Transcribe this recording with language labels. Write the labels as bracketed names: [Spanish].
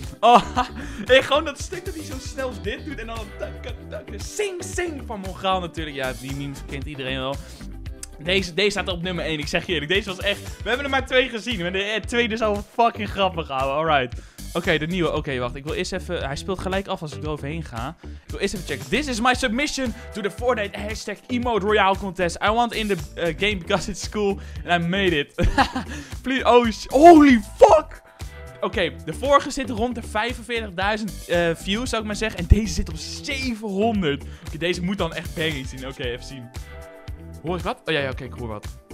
[Dutch] Oh, ik gewoon dat stuk dat hij zo snel dit doet en dan sing sing van Morgaan natuurlijk. Ja, die memes kent iedereen wel. Deze staat op nummer 1, ik zeg je eerlijk. Deze was echt, we hebben er maar 2 gezien. Maar de tweede is al fucking grappig, ouwe. Alright. Oké, de nieuwe. Oké, wacht. Ik wil eerst even. Hij speelt gelijk af als ik eroverheen ga. Ik wil eerst even checken. [English] This is my submission to the Fortnite hashtag Emote Royale Contest. I want in the game because it's cool. And I made it. Please. Oh, holy fuck. [Dutch] Oké, de vorige zit rond de 45.000 views, zou ik maar zeggen. En deze zit op 700. Oké, deze moet dan echt banging zien. Oké, even zien. Hoor ik wat? Oh ja, oké, ik hoor wat.